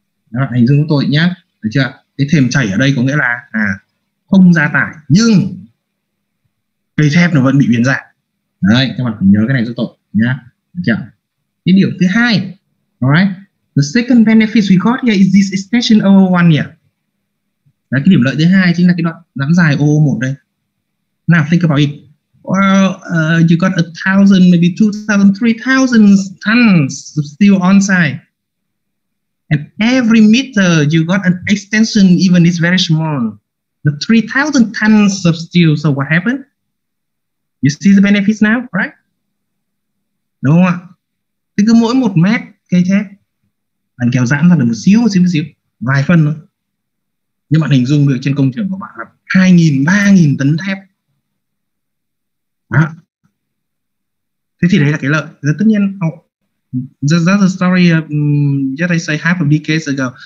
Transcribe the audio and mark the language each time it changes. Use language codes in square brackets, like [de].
[vi] Đó, hình dung của tôi nhá, được chưa? Cái thềm chảy ở đây có nghĩa là không ra tải, nhưng cây thép nó vẫn bị biến dạng. Đấy, các bạn nhớ cái này giúp tôi nhá, được chưa? Cái điểm thứ hai, [en] alright, the second benefit we got here is this extension over 1 year. [vi] Đấy, cái điểm lợi thứ hai chính là cái đoạn giãn dài OO1 đây. [en] Nào, think about it. Well, you got 1,000, maybe 2,000, 3,000 tons of steel on site. And every meter you got an extension, even it's very small. The 3,000 tons of steel, so what happened? You see the benefits now, right? [vi] Đúng không ạ? Thì cứ mỗi 1 mét cây thép, bạn kéo giãn ra được một xíu, vài phân thôi. Nhưng bạn hình dung được trên công trường của bạn là 2.000, 3.000 tấn thép. Đó. Thế thì đấy là cái lợi. Thế tất nhiên [en] that's the story that I say half a decade ago.